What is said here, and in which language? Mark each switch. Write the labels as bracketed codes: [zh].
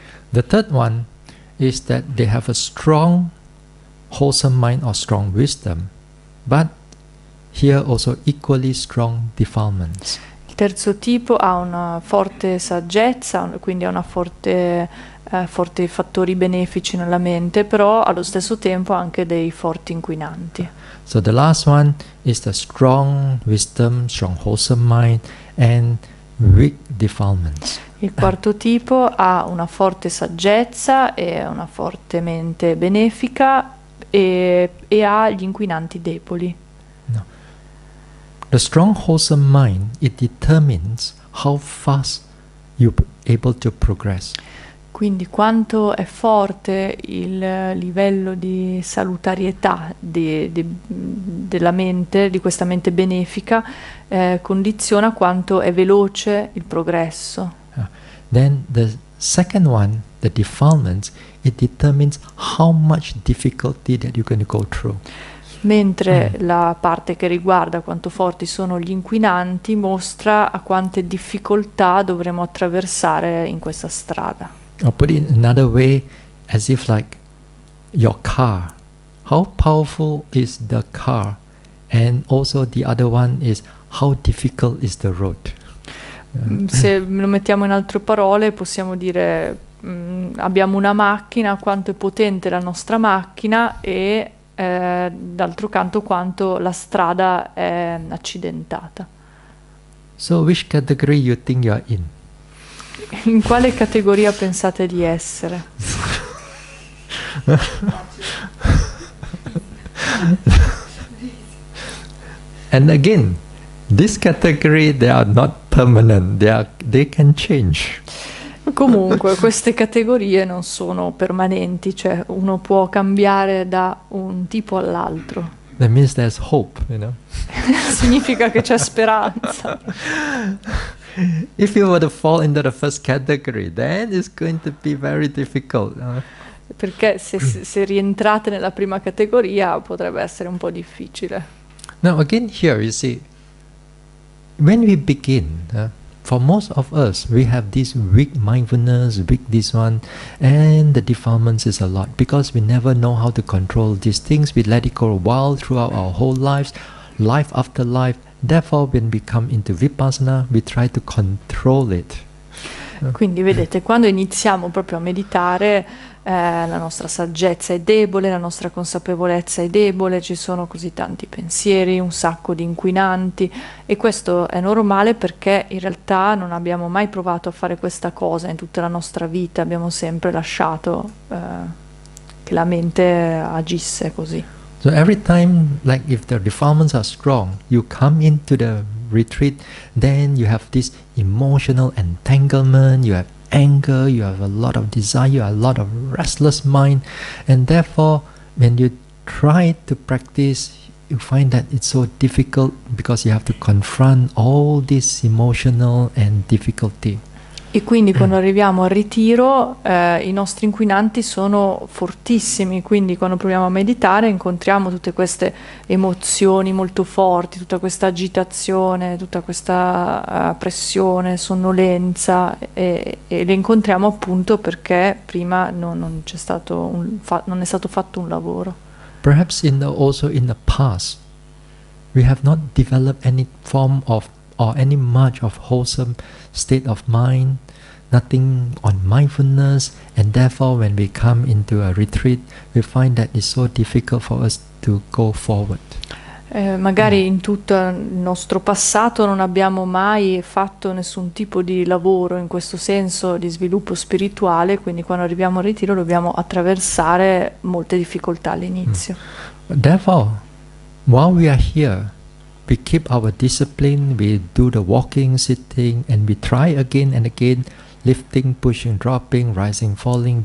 [en] The third one is that they have a strong wholesome mind or strong wisdom, but here also equally strong defilements. [it] Il terzo tipo ha una forte saggezza, quindi ha una forte forti fattori benefici nella mente, però allo stesso tempo anche dei forti inquinanti. [en] So the last one is the strong wisdom, strong wholesome mind, and weak defilements. [it] Il quarto tipo ha una forte saggezza e una forte mente benefica e ha gli inquinanti deboli. [en] No. The strong wholesome mind, it determines how fast you able to progress. [it] Quindi quanto è forte il livello di salutarietà della mente, di questa mente benefica, condiziona quanto è veloce il progresso. [en] Then the second one, the defilements, it determines how much difficulty that you're going to go through. [it] Mentre la parte che riguarda quanto forti sono gli inquinanti mostra a quante difficoltà dovremo attraversare in questa strada. [en] Or put it another way, as if like your car. How powerful is the car? And also the other one is how difficult is the road? [it] Se lo mettiamo in altre parole, possiamo dire abbiamo una macchina, quanto è potente la nostra macchina e d'altro canto quanto la strada è accidentata. [en] So which category you think you are in? [it] In quale categoria pensate di essere? [en] And again, this category they are not permanent, they can change. [it] Comunque, queste categorie non sono permanenti, cioè uno può cambiare da un tipo all'altro. [en] That means there's hope, you know? [it] Significa che c'è speranza. [en] If you were to fall into the first category, then it's going to be very difficult. [it] Perché se rientrate nella prima categoria potrebbe essere un po' difficile. [en] Now again here, you see, when we begin, for most of us, we have this weak mindfulness, weak this one, and the defilements is a lot because we never know how to control these things. We let it go wild throughout our whole lives, life after life. Therefore, when we come into Vipassana, we try to control it. [it] Quindi vedete, quando iniziamo proprio a meditare, la nostra saggezza è debole, la nostra consapevolezza è debole, ci sono così tanti pensieri, un sacco di inquinanti, e questo è normale perché in realtà non abbiamo mai provato a fare questa cosa in tutta la nostra vita, abbiamo sempre lasciato che la mente agisse così. [en] So every time, like if the defilements are strong, you come into the retreat, then you have this emotional entanglement, you have anger, you have a lot of desire, a lot of restless mind, and therefore when you try to practice, you find that it's so difficult because you have to confront all this emotional and difficulty. [it] E quindi quando arriviamo al ritiro i nostri inquinanti sono fortissimi, quindi quando proviamo a meditare incontriamo tutte queste emozioni molto forti, tutta questa agitazione, tutta questa pressione, sonnolenza, e le incontriamo appunto perché prima non c'è stato non è stato fatto un lavoro. [en] Perhaps in the past we have not developed any form of or any much of wholesome state of mind, nothing on mindfulness, and therefore when we come into a retreat, we find that it's so difficult for us to go forward. [it] Magari in tutto il nostro passato non abbiamo mai fatto nessun tipo di lavoro in questo senso di sviluppo spirituale, quindi quando arriviamo al ritiro dobbiamo attraversare molte difficoltà all'inizio. [en] Therefore, while we are here, we keep our discipline, we do the walking, sitting, and we try again and again, lifting, pushing, dropping, rising, falling.